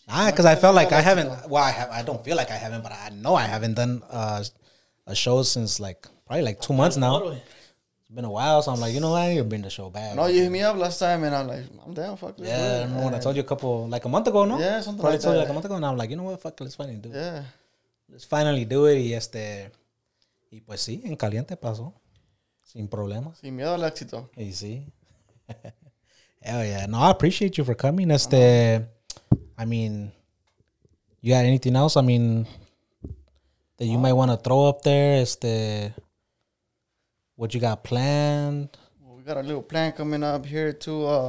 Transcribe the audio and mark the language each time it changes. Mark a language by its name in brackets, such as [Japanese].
[English] Because I felt like I haven't, I don't feel like I haven't, but I know I haven't done a show since like, probably like 2 months now. It's been a while, so I'm like, you know what, I need to bring the show back. No, you hit me up last time, and I'm like, I'm down, fuck it. Yeah, I remember when I told you a month ago, no? Yeah, something probably like told that. You like a month ago, and I'm like, you know what, fuck it, let's finally do it. Yeah. Let's finally do it, [Spanish] y pues sí, en caliente pasó. Sin problemas. Sin miedo al éxito. Y sí. [English] Hell yeah. No, I appreciate you for coming. I mean, you got anything else? I mean, that you might want to throw up there? What you got planned? Well, we got a little plan coming up here too.